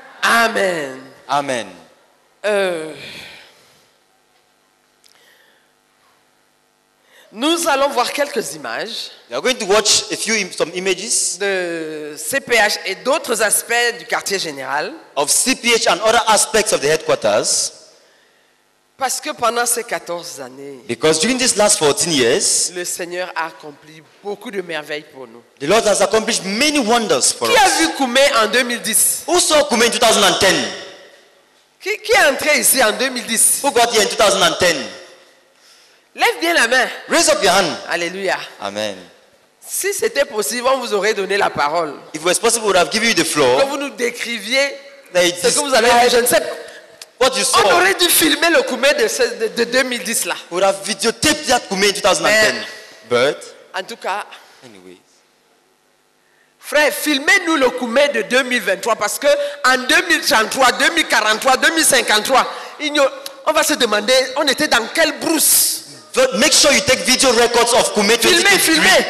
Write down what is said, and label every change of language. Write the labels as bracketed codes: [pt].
[fr] Amen. Amen. Nous allons voir quelques images. [en] We are going to watch a few some images [fr] de CPH et d'autres aspects du quartier général. [en] Of CPH and other aspects of the headquarters. [fr] Parce que pendant ces 14 années, [en] because during these last 14 years, [fr] le Seigneur a accompli beaucoup de merveilles pour nous. [en] The Lord has accomplished many wonders for [fr] us. Qui a vu Koume en 2010? [en] Who saw Koume in 2010? [fr] Qui est entré ici en 2010? [en] Who got here in 2010? [fr] Lève bien la main. [en] Raise up your hand. [fr] Alléluia. [en] Amen. [fr] Si c'était possible, on vous aurait donné la parole. [en] If it was possible, we would have given you the floor. [fr] Que vous nous décriviez ce que vous avez vu. Je ne sais [en] what you saw. [fr] On aurait dû filmer le Koume de 2010 là. [en] We would have videotaped that Koume in 2010. But [fr] en tout cas, [en] anyways, [fr] frère, filmez-nous le Koume de 2023 parce que en 2033, 2043, 2053, on va se demander, on était dans quelle brousse? [en] But make sure you take video records of Koume 2023.